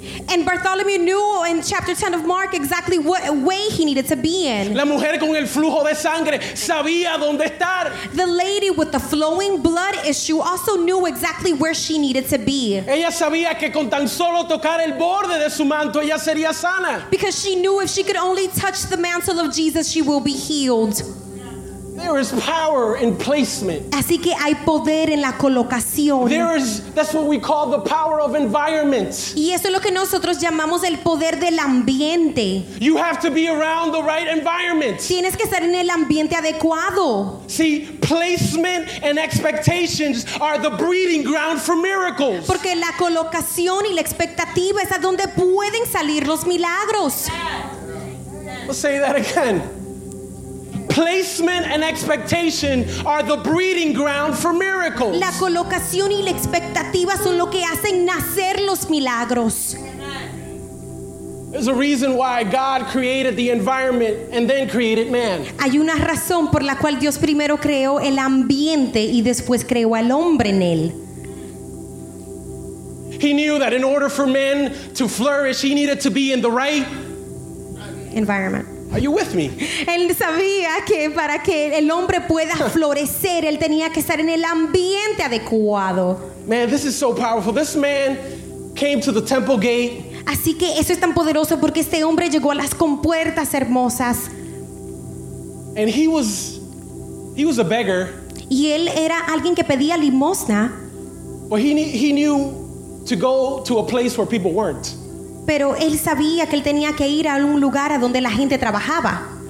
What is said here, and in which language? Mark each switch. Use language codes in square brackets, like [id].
[en] And Bartholomew knew in chapter 10 of Mark exactly what way he needed to be in. [es] La mujer con el flujo de sangre sabía dónde estar. [en] The lady with the flowing blood issue also knew exactly where she needed to be. [es] Ella sabía que con tan solo tocar el borde de su manto ella sería sana. [en] Because she knew if she could only touch the mantle of Jesus, she will be healed. There is power in placement. [es] Así que hay poder en la colocación. [en] That's what we call the power of environment. [es] Y eso es lo que nosotros llamamos el poder del ambiente. [en] You have to be around the right environment. [es] Tienes que estar en el ambiente adecuado. [en] See, placement and expectations are the breeding ground for miracles. [es] Porque la colocación y la expectativa es a donde pueden salir los milagros. [en] Let's say that again. Placement and expectation are the breeding ground for miracles. [es] La colocación y la expectativa son lo que hacen nacer los milagros. [en] There's a reason why God created the environment and then created man. [es] Hay una razón por la cual Dios primero creó el ambiente y después creó al hombre en él. [en] He knew that in order for men to flourish, he needed to be in the right environment. Are you with me? [es] Él sabía que para que el hombre pueda florecer, él tenía que estar en el ambiente adecuado. [en] Man, this is so powerful. This man came to the temple gate. [es] Así que eso es tan poderoso porque este hombre llegó a las compuertas hermosas. [en] And he was a beggar. [es] Y él era alguien que pedía limosna. [en] But he knew to go to a place where people weren't. [es] Pero él sabía que él tenía que ir a un lugar a donde la gente trabajaba.